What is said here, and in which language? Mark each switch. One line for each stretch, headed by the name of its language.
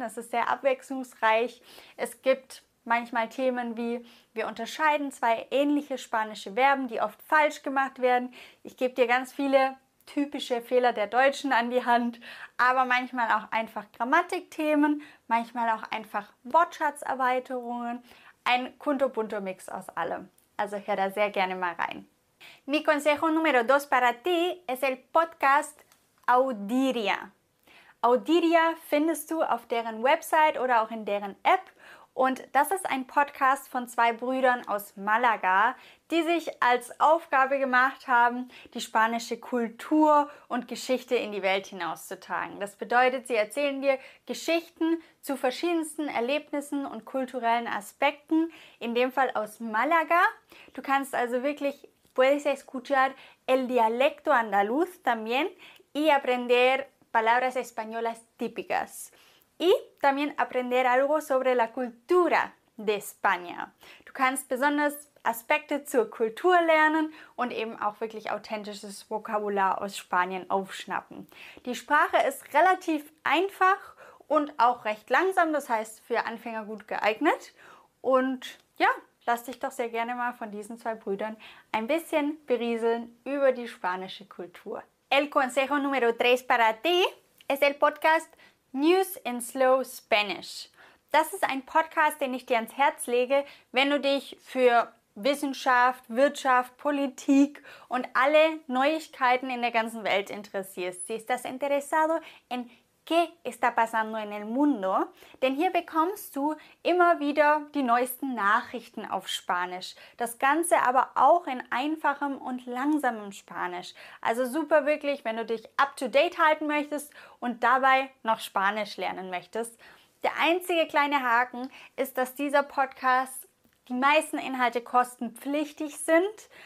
German: Das ist sehr abwechslungsreich. Es gibt manchmal Themen wie, wir unterscheiden zwei ähnliche spanische Verben, die oft falsch gemacht werden. Ich gebe dir ganz viele typische Fehler der Deutschen an die Hand, aber manchmal auch einfach Grammatikthemen, manchmal auch einfach Wortschatzerweiterungen, ein kunterbunter Mix aus allem. Also hör da sehr gerne mal rein.
Spanish: Mi consejo número dos para ti es el podcast Audiria.
German: Audiria findest du auf deren Website oder auch in deren App. Und das ist ein Podcast von zwei Brüdern aus Malaga, die sich als Aufgabe gemacht haben, die spanische Kultur und Geschichte in die Welt hinauszutragen. Das bedeutet, sie erzählen dir Geschichten zu verschiedensten Erlebnissen und kulturellen Aspekten, in dem Fall aus Malaga. Du kannst also wirklich,
Spanish: puedes escuchar el dialecto andaluz también y aprender palabras españolas típicas. Y también aprender algo sobre la cultura de España.
German: Du kannst besonders Aspekte zur Kultur lernen und eben auch wirklich authentisches Vokabular aus Spanien aufschnappen. Die Sprache ist relativ einfach und auch recht langsam, das heißt für Anfänger gut geeignet. Und ja, lass dich doch sehr gerne mal von diesen zwei Brüdern ein bisschen berieseln über die spanische Kultur.
Spanish: El consejo número 3 para ti es el podcast News in Slow Spanish.
German: Das ist ein Podcast, den ich dir ans Herz lege, wenn du dich für Wissenschaft, Wirtschaft, Politik und alle Neuigkeiten in der ganzen Welt interessierst.
Spanish: Si estás interesado en qué está pasando en el mundo?
German: Denn hier bekommst du immer wieder die neuesten Nachrichten auf Spanisch. Das Ganze aber auch in einfachem und langsamem Spanisch. Also super wirklich, wenn du dich up to date halten möchtest und dabei noch Spanisch lernen möchtest. Der einzige kleine Haken ist, dass dieser Podcast die meisten Inhalte kostenpflichtig sind.